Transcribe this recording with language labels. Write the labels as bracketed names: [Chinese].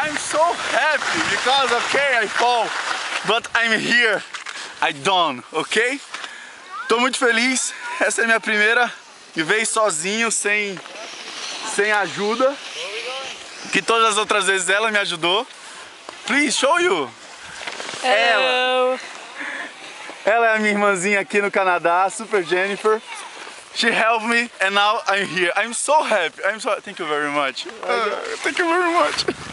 [English] Because okay, I fall, but I'm here, I done, ok? [Portuguese] Tô muito feliz, essa é minha primeira e veio sozinho, sem ajuda. Que todas as outras vezes ela me ajudou. [English] Please, show you! Hello. [Portuguese] Ela é a minha irmãzinha aqui no Canadá, Super Jennifer. [English] She helped me and now I'm here. I'm so happy, thank you very much. Thank you very much.